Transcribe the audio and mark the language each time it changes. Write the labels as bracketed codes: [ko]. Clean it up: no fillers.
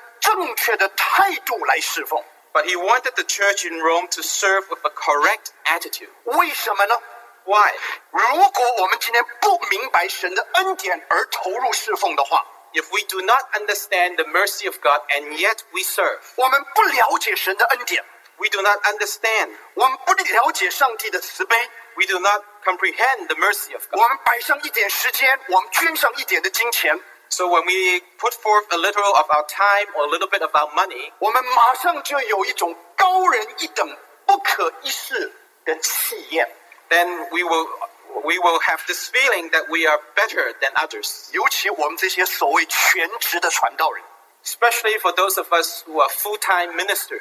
[zh] 他要罗马教会的弟兄姊妹用一个正确的态度来侍奉。 [en] But he wanted the church in Rome to serve with a correct attitude. [zh] 为什么呢? [en] Why? [zh] 如果我们今天不明白神的恩典而投入侍奉的话, [en] if we do not understand the mercy of God and yet we serve, [zh] 我们不了解神的恩典, [en] we do not understand, [zh] 我们不了解上帝的慈悲, [en] we do not comprehend the mercy of God, [zh] 我们摆上一点时间, 我们捐上一点的金钱, [en] so when we put forth a little of our time or a little bit of our money, [zh] 我们马上就有一种高人一等不可一世的气焰, [en] then we will have this feeling that we are better than others. [zh] 尤其我们这些所谓全职的传道人, [en] especially for those of us who are full-time ministers.